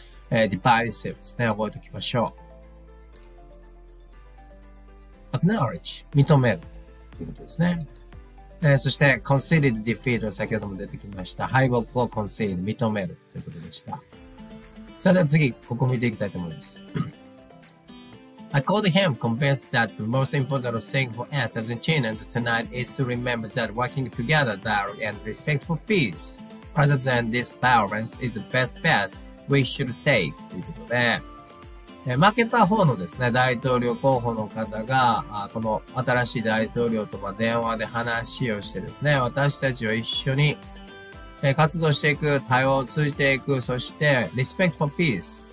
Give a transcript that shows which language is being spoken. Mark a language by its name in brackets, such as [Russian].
[Japanese] divisive ですね。覚えておきましょう。acknowledge。 認める。ということですね。そして、conceded defeat。先ほども出てきました。敗北を conceded。認める。ということでした。さあ、では次、ここ見ていきたいと思います。 [English] I called him convinced that the most important thing for us Argentinians tonight is to remember that working together, dialogue and respect for peace rather than this violence is the best path we should take. [Japanese] ということで、負けた方のですね、大統領候補の方が、この新しい大統領と電話で話をしてですね、私たちは一緒に活動していく、対話を通じていく、そして [English] respect for peace